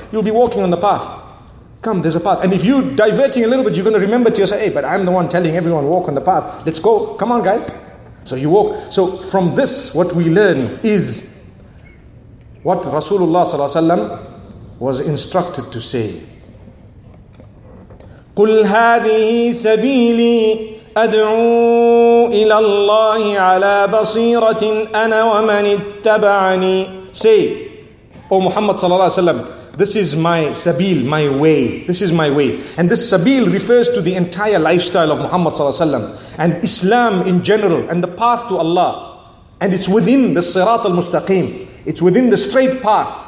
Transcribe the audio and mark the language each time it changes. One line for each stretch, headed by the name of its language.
English: You'll be walking on the path. Come, there's a path. And if you're diverting a little bit, you're going to remember to yourself, hey, but I'm the one telling everyone, walk on the path. Let's go. Come on, guys. So you walk. So from this, what we learn is what Rasulullah sallallahu alaihi wasallam was instructed to say.
Arabic: قل هذه سبيلي أدعو إلى الله على بصيرة أنا ومن اتبعني.
English: Say, O Muhammad sallallahu alaihi wasallam, this is my sabil, my way. This is my way. And this sabil refers to the entire lifestyle of Muhammad sallallahu alaihi wasallam and Islam in general and the path to Allah. And it's within the sirat al-mustaqim. It's within the straight path.